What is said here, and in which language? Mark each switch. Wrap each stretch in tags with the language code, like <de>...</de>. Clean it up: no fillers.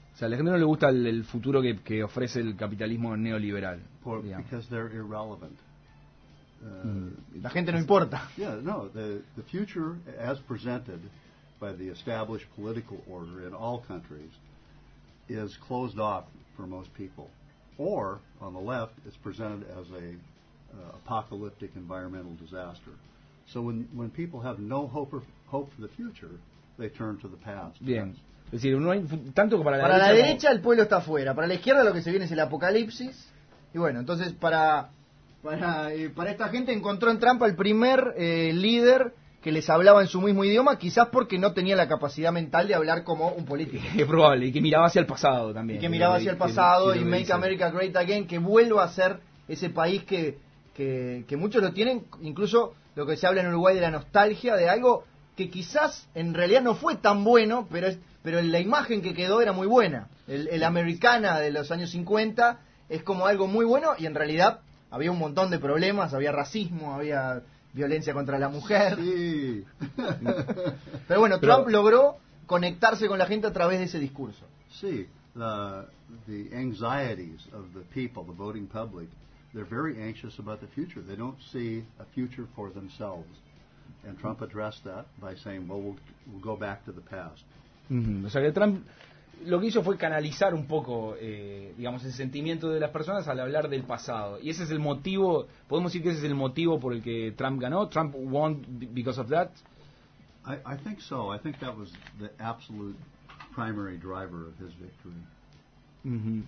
<es>O sea, a la gente no le gusta el futuro que ofrece el capitalismo neoliberal.</es> <en>Because they're irrelevant.</en> <es>La gente no importa.</es> <en>Yeah, no. The future as presented by the established political order in all countries is closed off for most people. Or, on the left, it's presented as a apocalyptic environmental disaster. So when people have no hope for the future, they turn to the past.</en> <es>Bien. Es decir, no hay tanto para la derecha. Para la derecha el pueblo está afuera. Para la izquierda lo que se viene es el apocalipsis. Y bueno, entonces para esta gente encontró en Trump al primer líder que les hablaba en su mismo idioma, quizás porque no tenía la capacidad mental de hablar como un político. Es probable, y que miraba hacia el pasado también. Y que miraba hacia el pasado y</es> <en>Make America Great Again,</en> <es>que vuelva a ser ese país que muchos lo tienen, incluso lo que se habla en Uruguay de la nostalgia, de algo que quizás en realidad no fue tan bueno, pero la imagen que quedó era muy buena. El americana de los años 50 es como algo muy bueno, y en realidad había un montón de problemas, había racismo, había violencia contra la mujer. Sí. Pero bueno, Trump logró conectarse con la gente a través de ese discurso.</es> <en>Sí, the anxieties of the people, the voting public, they're very anxious about the future. They don't see a future for themselves. And Trump addressed that by saying, well, we'll go back to the past.</en> <es>O sea que Trump lo que hizo fue canalizar un poco, digamos, el sentimiento de las personas al hablar del pasado. Y ese es el motivo, podemos decir que ese es el motivo por el que Trump ganó.</es> <en>Trump won because of that. I think so. I think that was the absolute primary driver of his victory.</en>